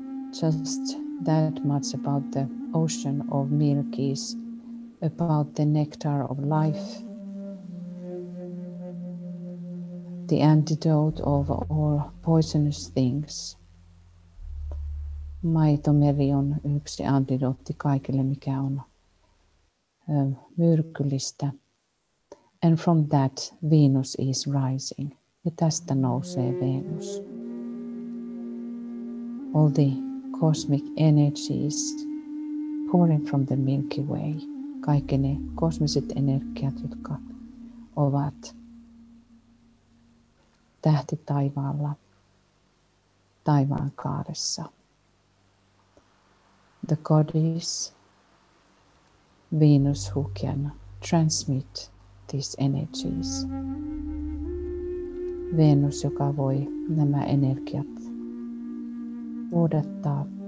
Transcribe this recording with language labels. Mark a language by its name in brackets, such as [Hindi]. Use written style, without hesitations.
[English] Just that much about the ocean of milk is about the nectar of life, the antidote of all poisonous things. [Finnish] Maitomeri on yksi antidootti kaikille, mikä on myrkyllistä. [English] And from that Venus is rising. [Finnish] Ja tästä nousee Venus. [English] All the cosmic energies pouring from the Milky Way. [Finnish] Kaikki ne kosmiset energiat, jotka ovat tähti taivaalla, taivaan kaaressa. [English] The goddess Venus who can transmit these energies. [Finnish] Venus, joka voi nämä energiat vuodattaa.